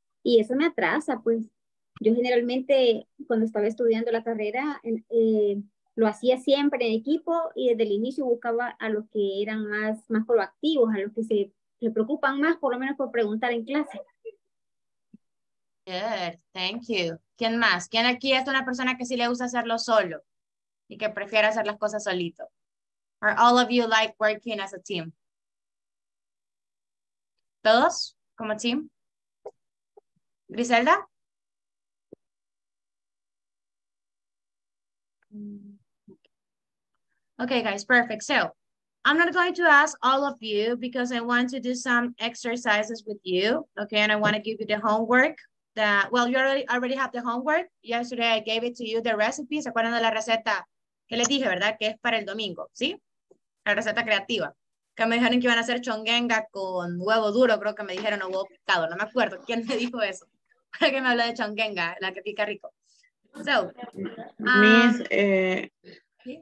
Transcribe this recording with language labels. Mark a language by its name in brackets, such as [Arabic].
[Spanish] Y eso me atrasa, pues. Yo generalmente, cuando estaba estudiando la carrera, lo hacía siempre en equipo y desde el inicio buscaba a los que eran más proactivos, a los que se preocupan más, por lo menos por preguntar en clase. [English] Good, thank you. [Spanish] ¿Quién más? ¿Quién aquí es una persona que sí le gusta hacerlo solo y que prefiere hacer las cosas solito? [English] Are all of you like working as a team? [Spanish] ¿Todos como team? Griselda? [English] Okay, guys, perfect. So I'm not going to ask all of you because I want to do some exercises with you, okay? And I want to give you the homework that, well, you already have the homework. Yesterday I gave it to you, the recipe. [Spanish] ¿Se acuerdan de la receta que les dije, verdad? Que es para el domingo, ¿sí? La receta creativa. Que me dijeron que iban a hacer chonguenga con huevo duro, creo que me dijeron, o huevo picado, no me acuerdo. ¿Quién me dijo eso? ¿Para qué me habla de chonguenga, la que pica rico? [English] So, [Spanish] Miss, ¿sí?